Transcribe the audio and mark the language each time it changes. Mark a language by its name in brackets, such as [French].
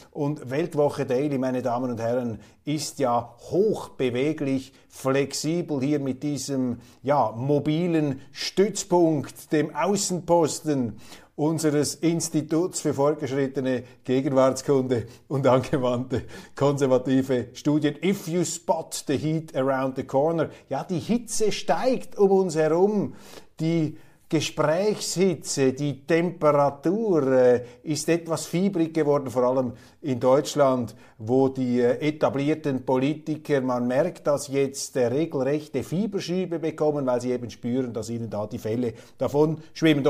[German] Und Weltwoche Daily, meine Damen und Herren, ist ja hochbeweglich, flexibel hier mit diesem mobilen Stützpunkt, dem Außenposten unseres Instituts für fortgeschrittene Gegenwartskunde und angewandte konservative Studien. [English] If you spot the heat around the corner. [German] Ja, die Hitze steigt um uns herum. Die Gesprächshitze, die Temperatur ist etwas fiebrig geworden, vor allem in Deutschland, wo die etablierten Politiker, man merkt, dass jetzt regelrechte Fieberschübe bekommen, weil sie eben spüren, dass ihnen da die Fälle davon schwimmen.